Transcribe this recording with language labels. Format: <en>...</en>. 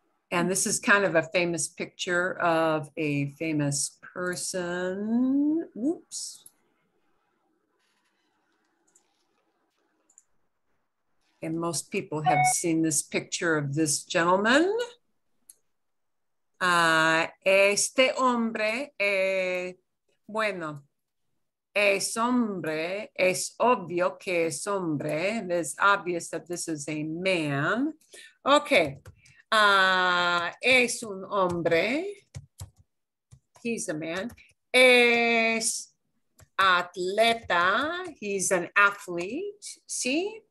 <en>And this is kind of a famous picture of a famous person. Oops. And most people have seen this picture of this gentleman.</en> <es>Este hombre, bueno, es hombre, es obvio que es hombre.</es> <en>It is obvious that this is a man.</en> <es>Okay, es un hombre,</es> <en>he's a man.</en> <es>Es atleta,</es> <en>he's an athlete,</en> <es>¿sí?</es>